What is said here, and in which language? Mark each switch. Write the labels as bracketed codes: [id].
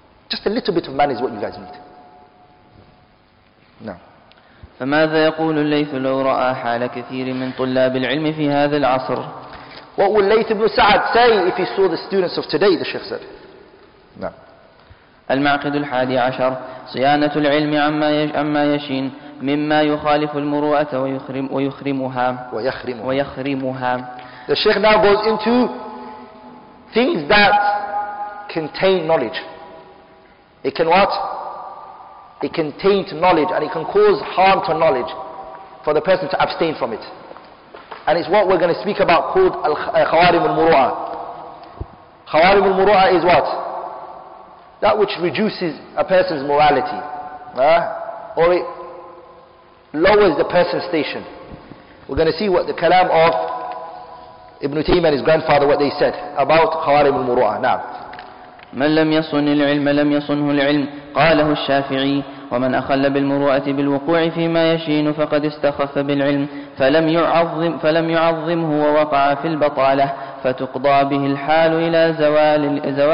[en] Just a little bit of manners is what you guys need. No. [ar] فَمَاذَا يَقُولُ اللَّيْثُ لَوْ رَأَى حَالَ كَثِيرٍ مِنْ طُلَّابِ الْعِلْمِ فِي هَذَا الْعَصْرِ. [en] What would Layth ibn Sa'ad say if he saw the students of today, the Shaykh said? No. [ar] المعقد الحادي عشر صيانة العلم عما يشين مما يخالف المروءة ويخرمها ويخرمها. [en] The Shaykh now goes into things that contain knowledge. It can what? It can taint knowledge and it can cause harm to knowledge for the person to abstain from it. And it's what we're going to speak about called Khawarim al-Muru'a. Khawarim al-Muru'a is what? That which reduces a person's morality. Or it lowers the person's station. We're going to see what the kalam of Ibn Taymiyyah and his grandfather, what they said about Khawarim al-Muru'a. Now. [ar] من لم يصن العلم لم يصنه العلم قاله الشافعي ومن أخل بالمروءة بالوقوع فيما يشين فقد استخف بالعلم فلم يعظمه ووقع في البطالة فتقضى به الحال إلى